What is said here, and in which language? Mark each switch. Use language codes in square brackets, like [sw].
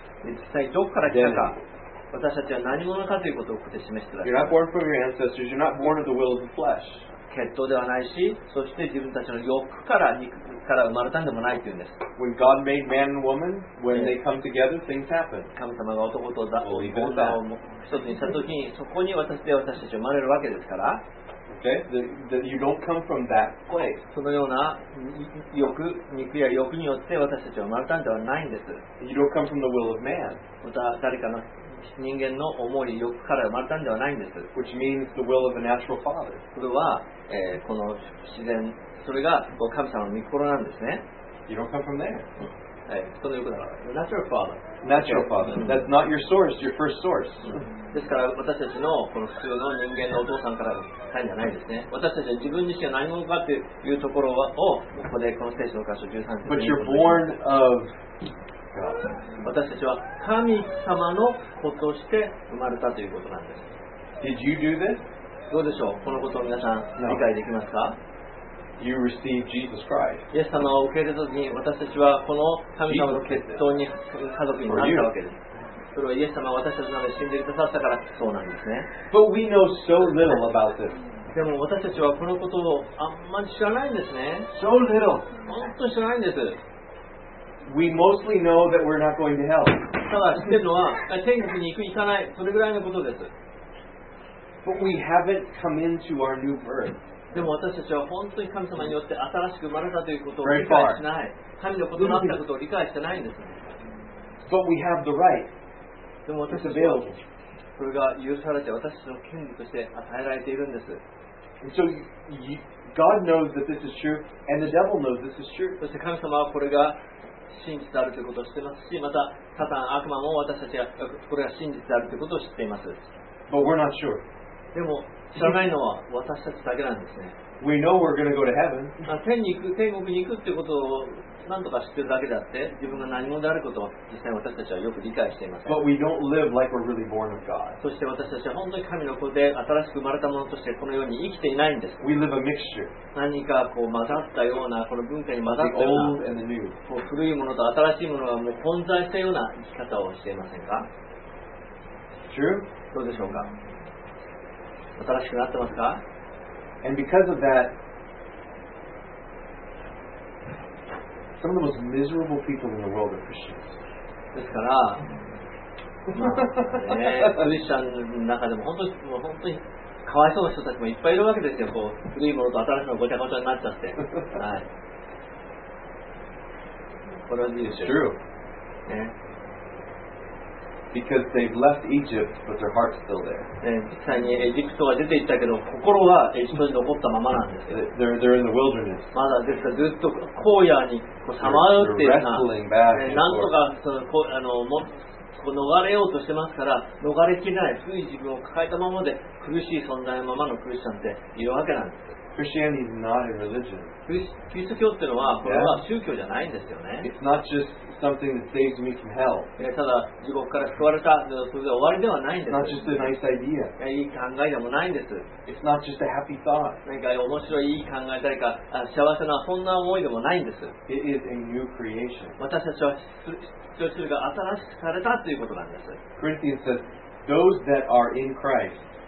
[ja] 実際どこから来たか。私たちは何者かということをここで示してる。 [en] You're not born from your ancestors. You're not born of the will of the flesh. [ja] 血統ではないし、そして自分たちの欲から肉から生まれたんでもないというんです。 [en] When God made man and woman, when they come together, things happen. [ja] 神様が男と女を一つにしたときに、そこに私たち生まれるわけですから。 [en] Okay, you don't come from that place. [ja] そのような欲、肉や欲によって私たちは生まれたんではないんです。 [en] You don't come from the will of man. [ja] また誰かの人間の思い、欲から生まれたんではないんです。 [en] Which means the will of a natural father. [ja] それは、この自然、それが神様の御心なんですね。 [en] You don't come from there. [ja] その欲だから。 [en] Natural father. Natural father. That's not your source, your first source. [ja] ですから私たちのこの普通の人間のお父さんから来たんじゃないですね。私たちは自分自身が何者かというところをここでこの聖書の箇所13節に。 [en] But you're born of... [ja] 私たちは神様の子として生まれたということなんです。 [en] Did you do this? [ja] どうでしょう、このことを皆さん理解できますか、 [en] no. you receive Jesus Christ. [ja] イエス様を受け入れた時に私たちはこの神様の血統に家族になったわけです。それはイエス様が私たちのために死んでくださったからそうなんですね。 [en] But we know so little about this. [ja] でも私たちはこのことをあんまり知らないんですね。 [en] So little. [ja] 本当に知らないんです。 [en] We mostly know that we're not going to hell. [ja] ただ知ってるのは天国に行く行かないそれぐらいのことです。 [en] But we haven't come into our new birth. [ja] でも私たちは本当に神様によって新しく生まれたということを理解しない。神の異なったことを理解してないんです。 [en] But we have the right. [ja] でも私たちはそれが許されて私たちの権利として与えられているんです。 [en] So God knows that this is true, and the devil knows this is true. [ja] そして神様はこれが真実であるということを知っていますし、またサタン悪魔も私たちはこれが真実であるということを知っています。 [en] But we're not sure. [ja] でも知らないのは私たちだけなんですね。 [en] We know we're going to go to heaven. [ja] 天国に行くってことを何とか知ってるだけであって、自分が何者であることを実際私たちはよく理解していません。 [en] But we don't live like we're really born of God. [ja] そして私たちは本当に神の子で新しく生まれたものとしてこのように生きていないんです。 [en] We live a mixture. [ja] 何かこう混ざったようなこの文化に混ざったような [en] The old and the new. [ja] こう古いものと新しいものがもう混在したような生き方をしていませんか。 [en] True? [ja] どうでしょうか。新しくなってますか? And because of that, some of the most miserable people in the world are Christians. ですから、クリスチャンの中でも本当にかわいそうな人たちもいっぱいいるわけですよ。こう古いものと新しいものごちゃごちゃになっちゃって。はい。これはいいですよ。 [en] True. [ja] ね。 [en] Because they've left Egypt, but their heart's still there. [ja] 実際にエジプトは出て行ったけど、心はエジプトに残ったままなんですよ。 [en] They're in the wilderness. [ja] まだですからずっと荒野にこうさまよっているな。 [en] They're wrestling back and forth. [ja] なんとかそのこあのもこう逃れようとしてますから、逃れきれない古い自分を抱えたままで苦しい存在のままのクリスチャンっているわけなんです。 [en] Christianity is not a religion. [ja] キリスト教っていうのはこれは宗教じゃないんですよね。 [en] It's not just something that saves me from hell. [ja] ただ地獄から救われたそれで終わりではないんです。 [en] It's not just a nice idea. [ja] いい考えでもないんです。 [en] It's not just a happy thought. [ja] 何か面白いいい考え誰か幸せなそんな思いでもないんです。 [en] It is a new creation. [ja] 私たちは一つが新しくされたということなんです。 [en] Corinthians says, those that are in Christ.